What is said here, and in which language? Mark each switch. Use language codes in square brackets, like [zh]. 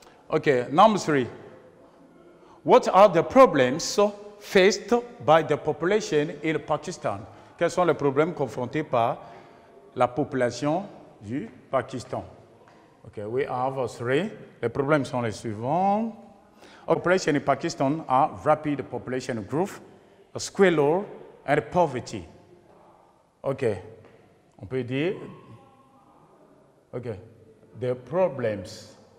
[en] Okay, number three. What are the problems faced by the population in Pakistan? [fr] Quels sont les problèmes confrontés par la population du Pakistan? [en] Okay, we have three. [fr] Les problèmes sont les suivants. [en] Okay. Population in Pakistan are rapid population growth, squalor, and poverty. Okay, [fr] on peut dire. [en] Okay, the problems.